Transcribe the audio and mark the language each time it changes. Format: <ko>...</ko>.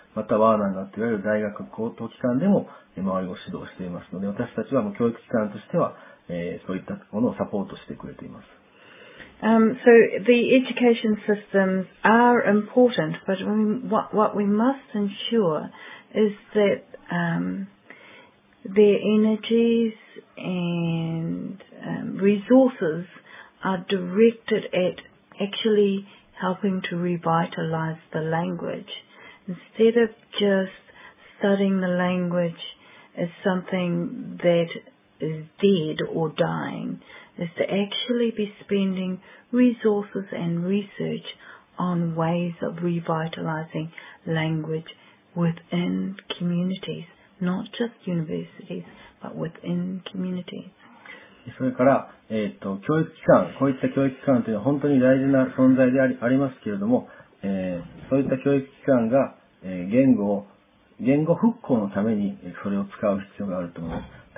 <ja>また、ワーナンガといわれる大学高等機関でも周り語指導をしていますので、私たちは教育機関としては、そういったものをサポートしてくれています。</ja> <en>So the education systems are important, but what we must ensure is that their energies and resources are directed at actually helping to revitalize the language. Instead of just studying the language as something that is dead or dying, is to actually be spending resources and research on ways of revitalizing language within communities, not just universities, but within communities.</en> <ja>それから、教育機関、こういった教育機関というのは本当に大事な存在でありますけれども、そういった教育機関が、言語復興のためにそれを使う必要があると思います。</ja>